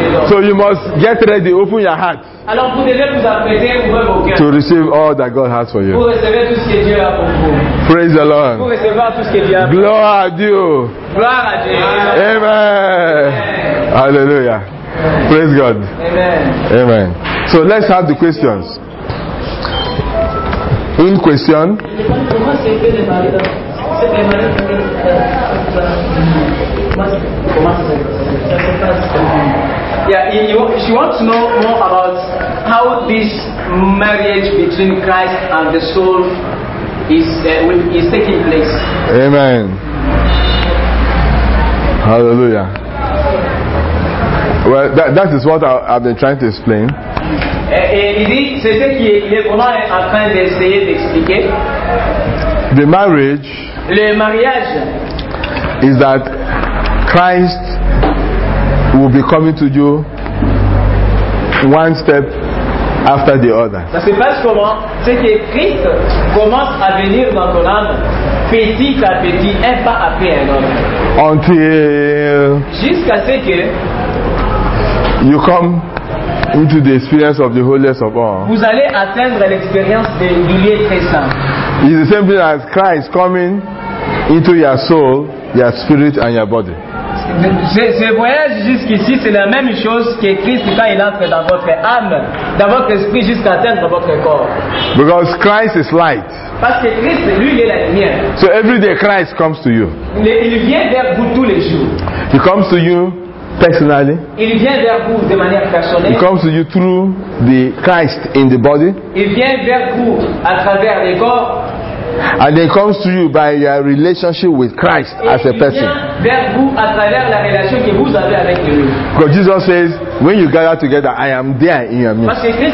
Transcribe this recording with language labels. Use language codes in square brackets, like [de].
[en] So you must get ready, open your heart. [fr] Alors vous devez vous apprêter, ouvrir vos cœurs. [en] To receive all that God has for you. [fr] Vous recevez tout ce que Dieu a pour vous. [en] Praise the Lord. [fr] Vous recevez tout ce que Dieu a. Gloire à Dieu. Gloire à Dieu. [en] Amen. Hallelujah. Praise God. Amen. Amen. So let's have the questions. [fr] Une question. [en] She wants to know more about how this marriage between Christ and the soul is taking place. Amen. Hallelujah. Well, that is what I've been trying to explain. [fr] Et il dit, c'est ce qu'il est vraiment en train d'essayer d'expliquer. [en] The marriage. [fr] Le mariage. [en] Is that Christ will be coming to you one step after the other. [fr] Ça se passe comment? C'est que Christ commence à venir dans ton âme petit à petit, un pas après un autre. [en] Until. [fr] Jusqu'à ce que. [en] You come into the experience of the holiest of all. [fr] Vous allez atteindre l'expérience du lieu très saint. [en] It's the same thing as Christ coming into your soul, your spirit, and your body. [fr] Ce voyage jusqu'ici, c'est la même chose que Christ quand il entre dans votre âme, dans votre esprit, jusqu'à atteindre votre corps. [en] Because Christ is light. [fr] Parce que Christ, lui, il est la lumière. [en] So every day Christ comes to you. [fr] Il vient vers vous tous les jours. [en] He comes to you. Personally, [fr] il vient vers vous de manière personnelle. [en] He comes to you through the Christ in the body. [fr] Il vient vers vous à travers le corps. [en] And it comes to you by your relationship with Christ as a person. Because Jesus says, when you gather together, I am there in your midst.